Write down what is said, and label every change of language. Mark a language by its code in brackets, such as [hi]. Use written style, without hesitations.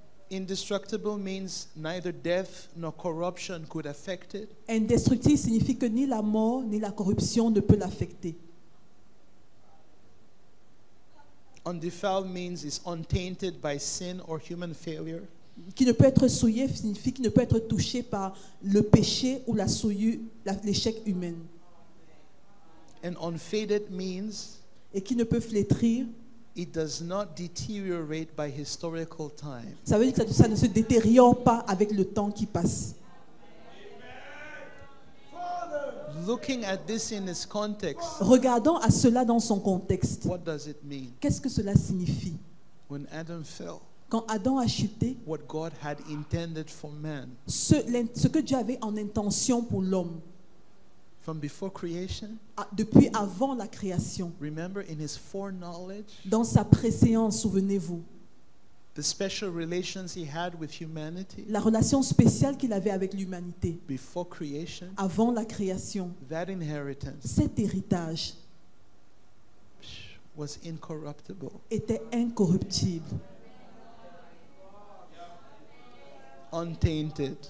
[en] Indestructible means neither death nor corruption could affect it. [fr] Indestructible signifie que ni la mort ni la corruption ne peut l'affecter. [en] Undefiled means it's untainted by sin or human failure. [fr] Qui ne peut être souillé signifie qu'il ne peut être touché par le péché ou la souillure, l'échec humain. [en] And unfaded means, [fr] et qui ne peut flétrir, [en] it does not deteriorate by historical time. [fr] Ça veut dire que ça ne se détériore pas avec le temps qui passe. [en] Looking at this in its context. [fr] Regardons à cela dans son contexte. [en] What does it mean? [fr] Qu'est-ce que cela signifie? [en] When Adam fell. [fr] Quand Adam a chuté. [en] What God had intended for man. [fr] Ce que Dieu avait en intention pour l'homme. [en] From before creation, [fr] depuis avant la création, [en] remember in his foreknowledge, [fr] dans sa préscience, souvenez-vous, [en] the special relations he had with humanity, [fr] la relation spéciale qu'il avait avec l'humanité, [en] before creation, [fr] avant la création, [en] that inheritance, [fr] cet héritage, [en] was incorruptible, [fr] était incorruptible, [en] untainted,